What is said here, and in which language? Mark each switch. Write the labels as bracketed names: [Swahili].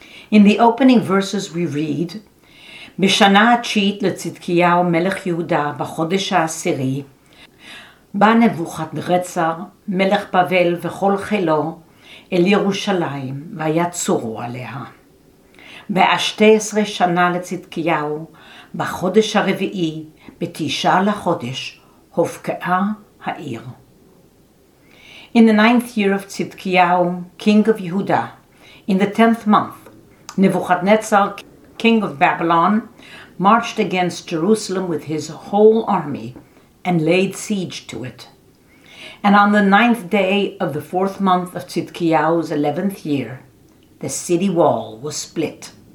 [English] In the opening verses we read, [Hebrew] Bishana tshiit letzidkiyahu melech Yehuda b'chodesh ha'asiri, בא נבוכת רצר, מלך בבל וכל חילו אל ירושלים ויצורו עליה. ב-12 שנה לצדקיהו, בחודש הרביעי, בתשעה לחודש, הופקעה העיר. [English] In the ninth year of Tzidkiyahu, king of Yehuda, in the tenth month, Nebuchadnezzar, king of Babylon, marched against Jerusalem with his whole army, and laid siege to it. And on the ninth day of the fourth month of Tzidkiyahu's 11th year, the city wall was split.